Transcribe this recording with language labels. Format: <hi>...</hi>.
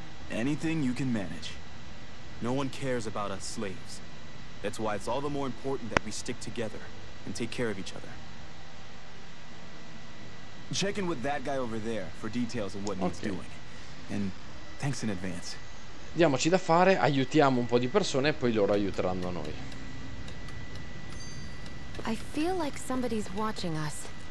<en>Anything you can manage. No one cares about us slaves. That's why it's all the more important that we stick together and take care of each other. Check in with that guy over there for details of what he's doing. And thanks in advance.</en> <it>Diamoci da fare, aiutiamo un po' di persone e poi loro aiuteranno noi.</it> <en>I feel like somebody's watching us.</en>